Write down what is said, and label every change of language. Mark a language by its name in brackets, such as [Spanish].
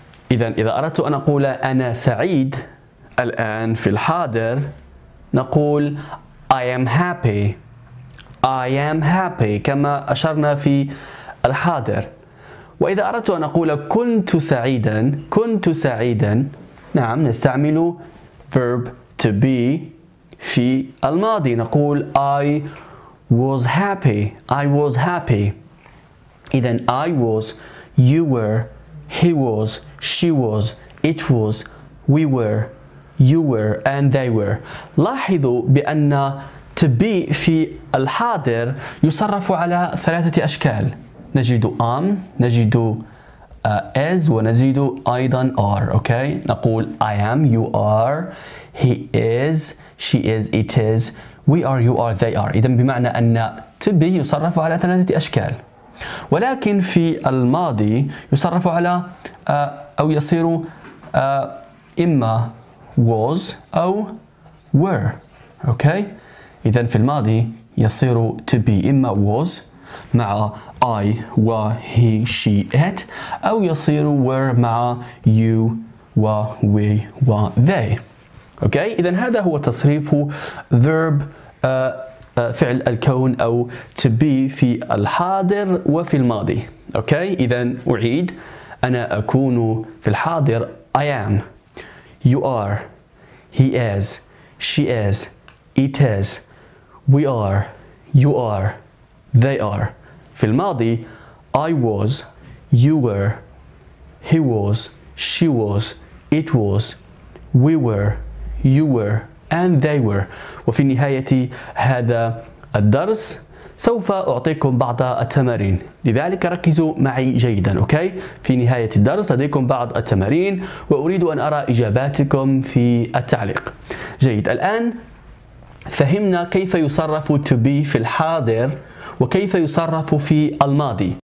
[Arabic] إذن إذا أردت أن أقول أنا سعيد الآن في الحاضر نقول [English] I am happy، I am happy [Arabic] كما أشرنا في الحاضر. وإذا أردت أن أقول كنت سعيدا، كنت سعيدا، نعم نستعمل verb to be في الماضي. نقول [English] I was happy. I was happy. إذن I was, you were, he was, she was, it was, we were, you were, and they were. [Arabic] لاحظوا بأن to be في الحاضر يصرف على ثلاثة أشكال. نجد am, نجد as, ونجد أيضا are. [English] Okay. [Arabic] نقول [English] I am, you are, he is, she is, it is, we are, you are, they are. [Arabic] إذن بمعنى أن to be يصرف على ثلاثة أشكال. ولكن في الماضي يصرف على أو يصير إما was أو were. Okay. إذن في الماضي يصير to be إما was مع I, و he, she, it, أو يصير were مع you, و we, و they. Okay. إذن هذا هو تصريف verb فعل الكون أو to be في الحاضر وفي الماضي. [English] Okay. [Arabic] إذن أعيد, أنا أكون في الحاضر, [English] I am, you are, he is, she is, it is, we are, you are, they are. [Arabic] في الماضي [English] I was, you were, he was, she was, it was, we were, you were, and they were. [Arabic] وفي نهاية هذا الدرس سوف أعطيكم بعض التمارين, لذلك ركزوا معي جيدا. أوكي؟ في نهاية الدرس لديكم بعض التمارين وأريد أن أرى إجاباتكم في التعليق. جيد, الآن فهمنا كيف يصرف to be في الحاضر وكيف يصرف في الماضي.